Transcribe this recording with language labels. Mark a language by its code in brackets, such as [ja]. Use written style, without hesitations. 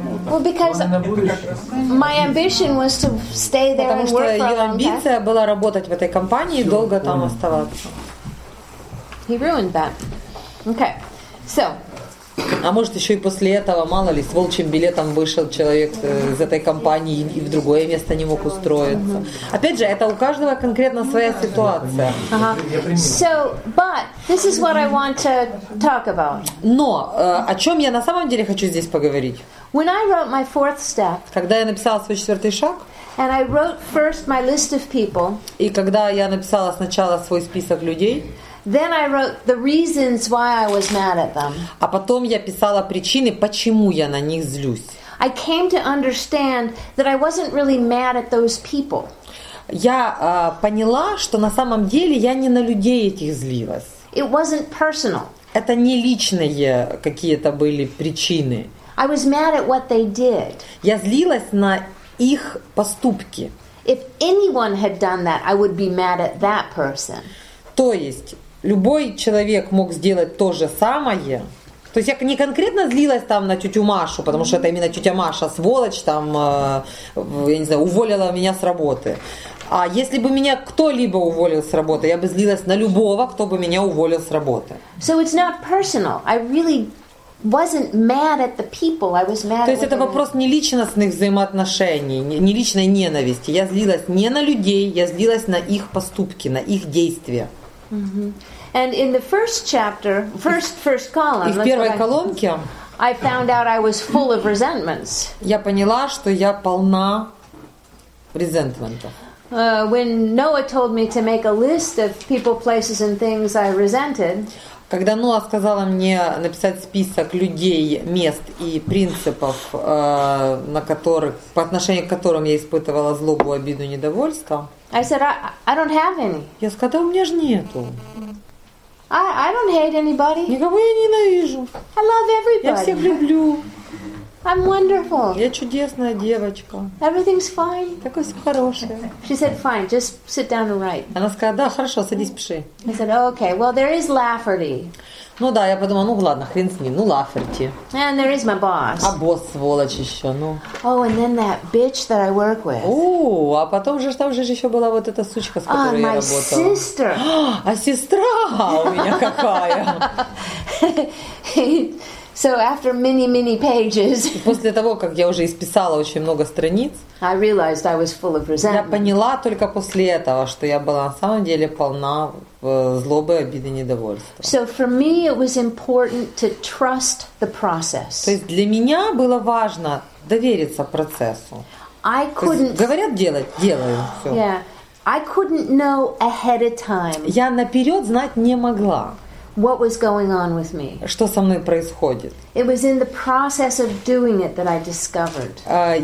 [en] Well, because my ambition was to stay there and work for a long time. [ru] Потому что ее амбиция была работать в этой компании и долго там оставаться. [en] He ruined that. Okay. So. [ru] А может еще и после этого, мало ли, с волчьим билетом вышел человек из этой компании и в другое место не мог устроиться. Опять же, это у каждого конкретно своя ситуация. [en] So, but this is what I want to talk about. [ru] Но о чем я на самом деле хочу здесь поговорить? [en] When I wrote my fourth step, [ru] когда я написала свой четвертый шаг, [en] and I wrote first my list of people, [ru] и когда я написала сначала свой список людей, [en] then I wrote the reasons why I was mad at them. [ru] А потом я писала причины, почему я на них злюсь. [en] I came to understand that I wasn't really mad at those people. [ru] Я поняла, что на самом деле я не на людей этих злилась. [en] It wasn't personal. [ru] Это не личные какие-то были причины. [en] I was mad at what they did. [ru] Я злилась на их поступки. [en] If anyone had done that, I would be mad at that person. [ru] То есть любой человек мог сделать то же самое. То есть я не конкретно злилась там на тетю Машу, потому что это именно тетя Маша, сволочь, там, я не знаю, уволила меня с работы. А если бы меня кто-либо уволил с работы, я бы злилась на любого, кто бы меня уволил с работы. [en] So it's not personal. I really wasn't mad at the people. I was mad. [ru] То есть это вопрос не личностных взаимоотношений, не личной ненависти. Я злилась не на людей, я злилась на их поступки, на их действия. [en] And in the first chapter, first column, [ru] в первой колонке, [en] I found out I was full of resentments. [ru] Я поняла, что я полна резентментов. [en] When Noah told me to make a list of people, places, and things I resented. [ru] Когда Ноа сказала мне написать список людей, мест и принципов, на которых, по отношению к которым я испытывала злобу, обиду, недовольство, [en] I said, I don't have any. [ru] Я сказала, у меня же нету. [en] I don't hate anybody. [ru] Никого я не ненавижу. [en] I love everybody. [ru] Я всех люблю. [en] I'm wonderful. [ru] Я чудесная девочка. [en] Everything's fine. [ru] Такое все хорошее. [en] She said, fine, just sit down and write. [ru] Она сказала, да, хорошо, садись, пиши. [en] I said, okay, well, there is Lafferty. [ru] Ну да, я подумала, ну ладно, хрен с ним, ну Лафферти. [en] And there is my boss. [ru] А босс сволочь еще, ну. [en] Oh, and then that bitch that I work with. [ru] А потом же там же еще была вот эта сучка, с которой я работала. [en] Sister. [ru] А сестра у меня какая. [en] So after many, many pages, [ru] после того, как я уже исписала очень много страниц, [en] I realized I was full of resentment. [ru] Я поняла только после этого, что я была на самом деле полна злобы, обиды, недовольства. [en] So for me it was important to trust the process. [ru] То есть для меня было важно довериться процессу. [en] I couldn't... [ru] Говорят, делать, делаю все. [en] Yeah. I couldn't know ahead of time. [ru] Я наперед знать не могла. [en] What was going on with me? [ru] Что со мной происходит? [en] It was in the process of doing it that I discovered.